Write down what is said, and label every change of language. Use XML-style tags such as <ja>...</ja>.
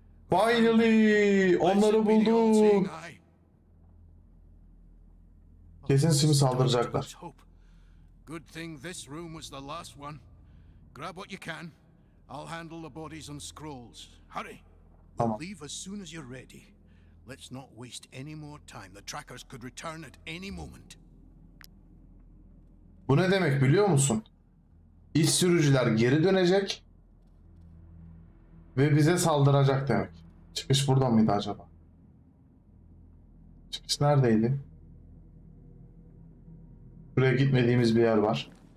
<en>Finally,</en> <tr>onları bulduk. Kesin şimdi saldıracaklar.</tr> <en>Good thing this room was the last one. Grab what you can. I'll handle the bodies and scrolls. Hurry.</en> <tr>Tamam.</tr> <en>We'll leave as soon as you're ready. Let's not waste any more time. The trackers could return at any moment.</en> <tr>Bu ne demek biliyor musun? İş sürücüler geri dönecek ve bize saldıracak demek. Çıkış buradan mıydı acaba? Çıkış neredeydi? Buraya gitmediğimiz bir yer var.</tr>